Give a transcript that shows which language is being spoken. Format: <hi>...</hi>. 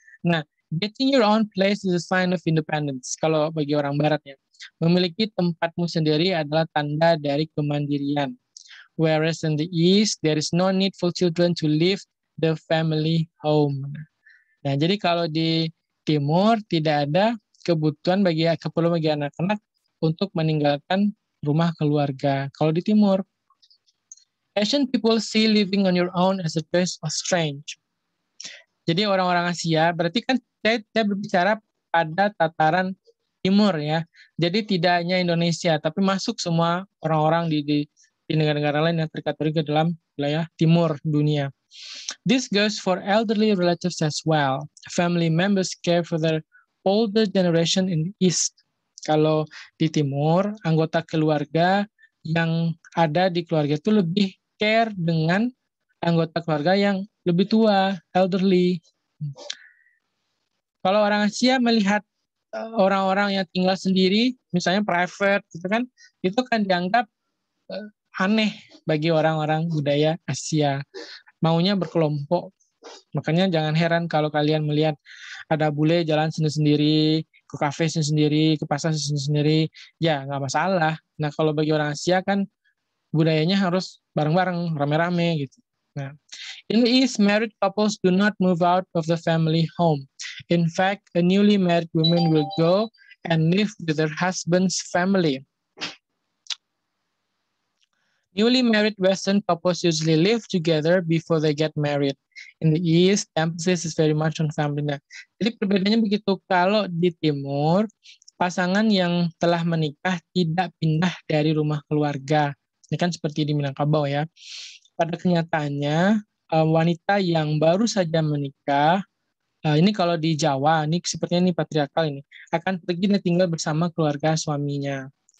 <en>Nah, getting your own place is a sign of independence.</en> <id>Kalau bagi orang Barat ya, memiliki tempatmu sendiri adalah tanda dari kemandirian.</id> <en>Whereas in the East, there is no need for children to leave the family home.</en> <id>Nah, jadi kalau di Timur tidak ada kebutuhan bagi keperluan bagi anak-anak untuk meninggalkan rumah keluarga. Kalau di Timur,</id> <en>Asian people see living on your own as a place of strange.</en> <id>Jadi orang-orang Asia, berarti kan saya berbicara pada tataran Timur ya. Jadi tidak hanya Indonesia, tapi masuk semua orang-orang di negara-negara lain yang terkategori ke dalam wilayah timur dunia.</id> <en>This goes for elderly relatives as well. Family members care for their older generation in the East.</en> <id>Kalau di timur, anggota keluarga yang ada di keluarga itu lebih care dengan anggota keluarga yang lebih tua, elderly. Kalau orang Asia melihat orang-orang yang tinggal sendiri, misalnya private, gitu kan, itu kan dianggap aneh bagi orang-orang budaya Asia. Maunya berkelompok. Makanya jangan heran kalau kalian melihat ada bule jalan sendiri-sendiri, ke kafe sendiri, ke pasar sendiri, ya nggak masalah. Nah, kalau bagi orang Asia kan budayanya harus bareng-bareng, rame-rame gitu.</id> <en>Nah, in the East, married couples do not move out of the family home. In fact, a newly married woman will go and live with her husband's family. Newly married Western couples usually live together before they get married. In the East, emphasis is very much on family.</en> <id>Jadi perbedaannya begitu. Kalau di Timur, pasangan yang telah menikah tidak pindah dari rumah keluarga. Ini kan seperti di Minangkabau ya. Pada kenyataannya, wanita yang baru saja menikah, ini kalau di Jawa, ini sepertinya ini patriarkal ini, akan pergi dan tinggal bersama keluarga suaminya.</id>